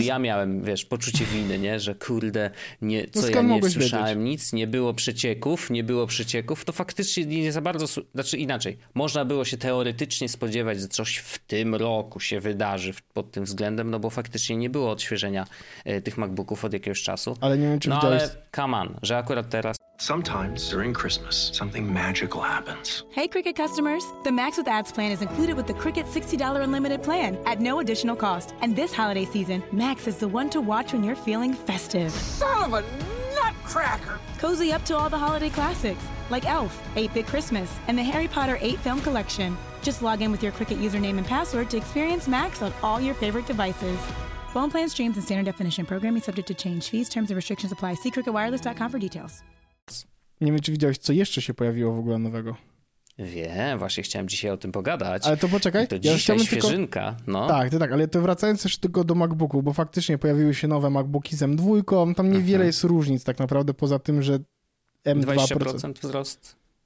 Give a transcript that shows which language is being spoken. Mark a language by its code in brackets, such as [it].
[pl] ja miałem, wiesz, poczucie winy, nie? Że kurde, nie, co no ja nie słyszałem wiedzieć? Nic, nie było przecieków, to faktycznie nie za bardzo, znaczy inaczej, można było się teoretycznie spodziewać, że coś w tym roku się wydarzy pod tym względem, no bo faktycznie nie było odświeżenia tych MacBooków od jakiegoś czasu. Ale nie wiem, czy no widziałeś... ale [en] come on, [pl] że akurat teraz... [en] Sometimes during Christmas, something magical happens. Hey Cricket customers, the Max with Ads plan is included with the Cricket $60 unlimited plan at no additional cost. And this holiday season, Max is the one to watch when you're feeling festive. Son of a nutcracker! Cozy up to all the holiday classics, like Elf, 8-Bit Christmas, and the Harry Potter 8 film collection. Just log in with your Cricket username and password to experience Max on all your favorite devices. Phone plan streams and standard definition programming subject to change. Fees, terms and restrictions apply. See CricketWireless.com for details. [pl] Nie wiem, czy widziałeś, co jeszcze się pojawiło w ogóle nowego. Wiem, właśnie chciałem dzisiaj o tym pogadać. Ale to poczekaj. To ja dzisiaj świeżynka, tylko... no. Tak, ale to wracając jeszcze tylko do MacBooku, bo faktycznie pojawiły się nowe MacBooki z M2, tam niewiele jest różnic tak naprawdę poza tym, że M2%... 20% wzrost?